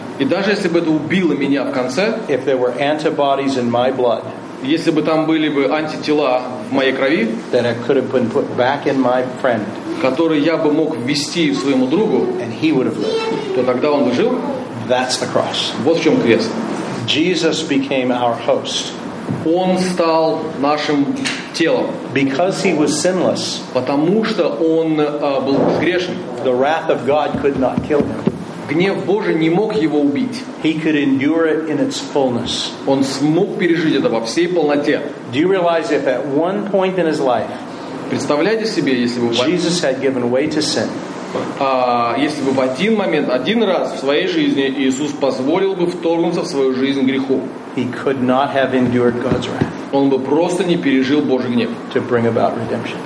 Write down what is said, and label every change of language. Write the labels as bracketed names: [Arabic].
[Russian] И даже если бы это убило меня в конце, [English] if there were antibodies in my blood, [Russian] если бы там были бы антитела в моей крови, [English] then it could have been put back in my friend, [Russian] которые я бы мог ввести в своему другу, [English] and he would have lived, [Russian] то тогда он бы жил. [English] That's the cross. [Russian] Вот в чем крест. [English] Jesus became our host. [Russian] Он стал нашим телом. [English] Because he was sinless, [Russian] потому что он был безгрешен, [English] the wrath of God could not kill him. [Russian] Гнев Божий не мог его убить. [English] He could endure it in its fullness. [Russian] Он смог пережить это во всей полноте. [English] Do you realize if at one point in his life, [Russian] представляете себе, если бы [English] Jesus had given way to sin, [Russian] если бы в один момент, один раз в своей жизни Иисус позволил бы вторгнуться в свою жизнь греху, [English] he could not have endured God's wrath. [Russian] Он бы просто не пережил Божий гнев, [English] to bring about redemption,